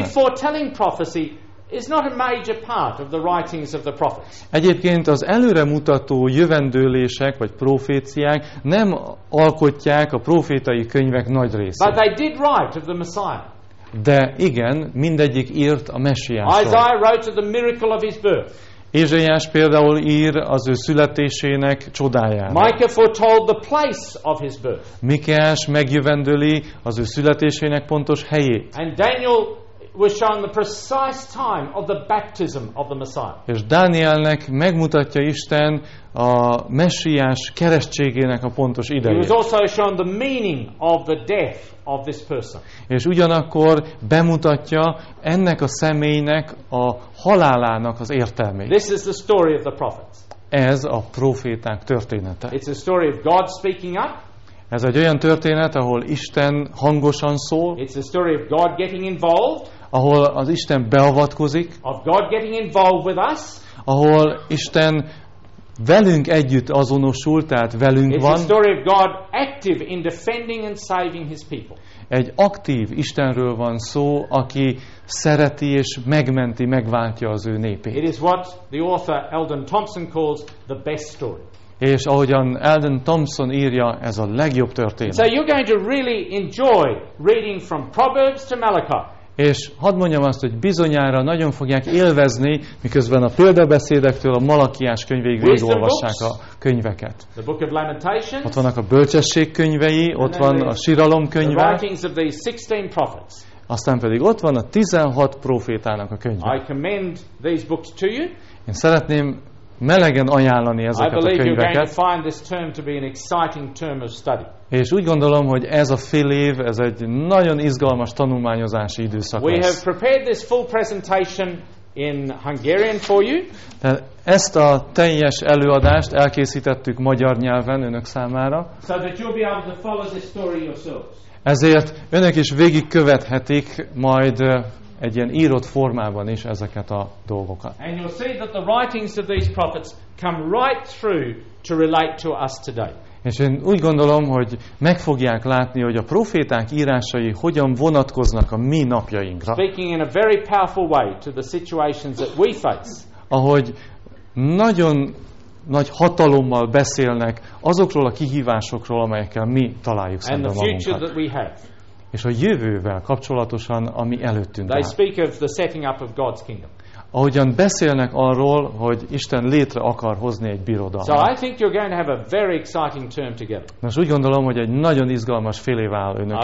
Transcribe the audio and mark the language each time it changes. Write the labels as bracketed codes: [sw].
[en] Actually, foretelling prophecy is not a major part of the writings of the prophets. [hu] Egyébként az előremutató jövendőlések vagy proféciák nem alkotják a prófétai könyvek nagy részét. [en] But they did write of the Messiah. [hu] De igen, mindegyik írt a Messiásról. [en] Isaiah wrote of the miracle of his birth. [hu] Ézsaiás például ír az ő születésének csodájára. [en] Micah foretold the place of his birth. [hu] Mikeás megjövendőli az ő születésének pontos helyét. [en] And Daniel was shown the precise time of the baptism of the Messiah. [hu] És Dánielnek megmutatja Isten a Messiás keresztségének a pontos idejét. [en] He was also shown the meaning of the death of this person. [hu] És ugyanakkor bemutatja ennek a személynek a halálának az értelmét. [en] This is the story of the prophets. [hu] Ez a proféták története. [en] It's a story of God speaking up. [hu] Ez egy olyan történet, ahol Isten hangosan szól. [en] It's a story of God getting involved. [hu] Ahol az Isten beavatkozik. [en] Of God getting involved with us. [hu] Ahol Isten velünk együtt azonosul, tehát velünk [en] It's [hu] van. [en] It's a story of God active in defending and saving his people. [hu] Egy aktív Istenről van szó, aki szereti és megmenti, megváltja az ő népét. [en] It is what the author Eldon Thompson calls the best story. [hu] És ahogyan Eldon Thompson írja, ez a legjobb történet. [en] So you're going to really enjoy reading from Proverbs to Malachi. [hu] És hadd mondjam azt, hogy bizonyára nagyon fogják élvezni, miközben a példabeszédektől a Malakiás könyvéig végigolvassák a könyveket. [en] The Book of Lamentations. [hu] Ott vannak a bölcsesség könyvei, ott van a síralom könyve. [en] The writings of these 16 prophets. [hu] Aztán pedig ott van a 16 profétának a könyve. [en] I commend these books to you. [hu] Én szeretném melegen ajánlani ezeket [en] I believe [hu] a könyveket. És úgy gondolom, hogy ez a fél év, ez egy nagyon izgalmas tanulmányozási időszak [en] We [hu] lesz. [en] Have prepared this full presentation in Hungarian for you. [hu] Tehát ezt a teljes előadást elkészítettük magyar nyelven önök számára. [en] So that you'll be able to follow this story yourselves. [hu] Ezért önök is végigkövethetik majd egy ilyen írott formában is ezeket a dolgokat. [en] And you'll see that the writings of these prophets come right through to relate to us today. [hu] És én úgy gondolom, hogy meg fogják látni, hogy a proféták írásai hogyan vonatkoznak a mi napjainkra. [en] Speaking in a very powerful way to the situations that we face. [hu] Ahogy nagyon nagy hatalommal beszélnek azokról a kihívásokról, amelyekkel mi találjuk szembe magunkat. És a jövővel kapcsolatosan, ami előttünk áll. [en] They speak of the setting up of God's kingdom. [hu] Ahogyan beszélnek arról, hogy Isten létre akar hozni egy birodalmat. [en] So I think you're going to have a very exciting term together. [hu] Most úgy gondolom, hogy egy nagyon izgalmas fél év áll önök